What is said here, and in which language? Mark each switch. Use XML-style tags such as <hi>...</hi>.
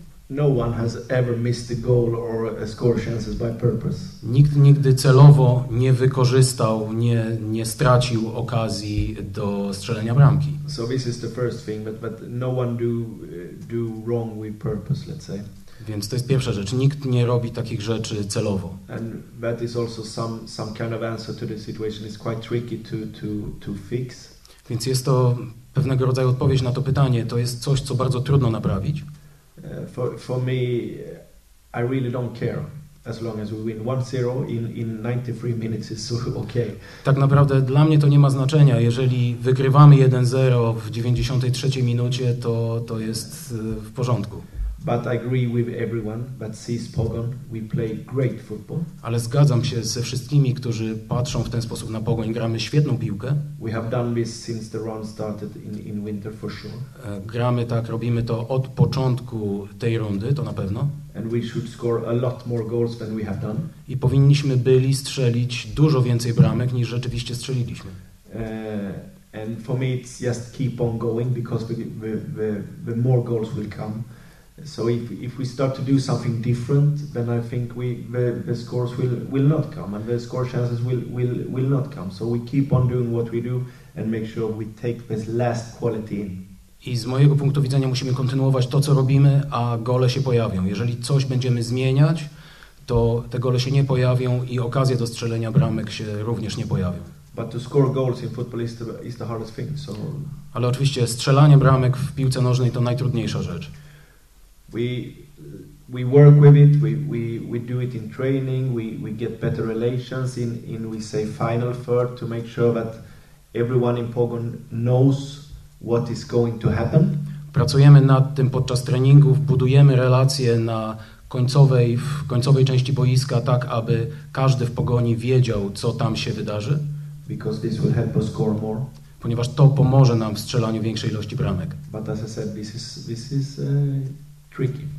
<en>No one has ever missed a goal or a score chances by purpose.</en> <pl>Nikt nigdy celowo nie wykorzystał, nie stracił okazji do strzelenia bramki.</pl> <en>So this is the first thing, but no one do wrong with purpose, let's say.</en> <pl>Więc to jest pierwsza rzecz. Nikt nie robi takich rzeczy celowo.</pl> <en>And that is also some kind of answer to the situation. It's quite tricky to fix.</en> <pl>Więc jest to pewnego rodzaju odpowiedź na to pytanie. To jest coś, co bardzo trudno naprawić.</pl> <en>For me, I really don't care as long as we win 1-0 in 93 minutes is okay.</en> <pl>Tak naprawdę dla mnie to nie ma znaczenia. Jeżeli wygrywamy 1-0 w 93 minucie, to jest w porządku.</pl> <en>But I agree with everyone that sees Pogoń, we play great football.</en> <pl>Ale zgadzam się ze wszystkimi, którzy patrzą w ten sposób na Pogoń. Gramy świetną piłkę.</pl> <en>We have done this since the run started in winter for sure.</en> <pl>Gramy tak, robimy to od początku tej rundy, to na pewno.</pl> <en>And we should score a lot more goals than we have done.</en> <pl>I powinniśmy byli strzelić dużo więcej bramek niż rzeczywiście strzeliliśmy.</pl> <en>And for me it's just keep on going because the more goals will come. So if we start to do something different, then I think the scores will not come and the score chances will not come. So we keep on doing what we do and make sure we take this last quality in.</en> <pl>I z mojego punktu widzenia musimy kontynuować to, co robimy, a gole się pojawią. Jeżeli coś będziemy zmieniać, to te gole się nie pojawią i okazje do strzelenia bramek się również nie pojawią.</pl> <en>But to score goals in football is the hardest thing. So.</en> <pl>Ale oczywiście strzelanie bramek w piłce nożnej to najtrudniejsza rzecz.</pl> <en>We work with it. We do it in training. We get better relations in we say final third to make sure that everyone in Pogon knows what is going to happen.</en> <pl>Pracujemy nad tym podczas treningów, budujemy relacje na końcowej części boiska tak, aby każdy w Pogoni wiedział, co tam się wydarzy.</pl> <en>Because this will help us score more.</en> <pl>Ponieważ to pomoże nam w strzelaniu większej ilości bramek.</pl> <en>But as I said, this is tricky.</en>